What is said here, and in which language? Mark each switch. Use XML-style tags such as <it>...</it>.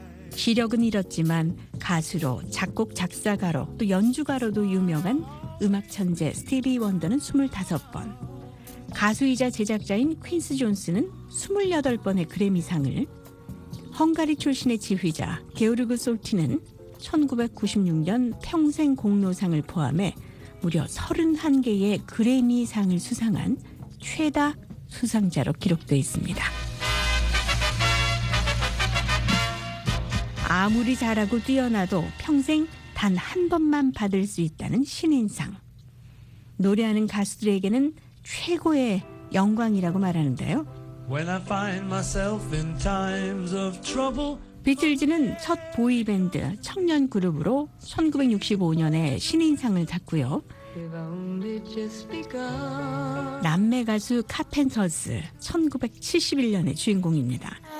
<ko>시력은 잃었지만 가수로, 작곡, 작사가로, 또 연주가로도 유명한 음악 천재 스티비 원더는 25번, 가수이자 제작자인 퀸스 존스는 28번의 그래미상을, 헝가리 출신의 지휘자 게오르그 솔티는 1996년 평생 공로상을 포함해 무려 31개의 그래미상을 수상한 최다 수상자로 기록되어 있습니다. 아무리 잘하고 뛰어나도 평생 단 한 번만 받을 수 있다는 신인상. 노래하는 가수들에게는 최고의 영광이라고 말하는데요.</ko> <en>When I find myself in times of trouble.</en> <ko>비틀즈는 첫 보이밴드, 청년 그룹으로 1965년에 신인상을 탔고요. 남매 가수 카펜터스, 1971년의 주인공입니다.</ko>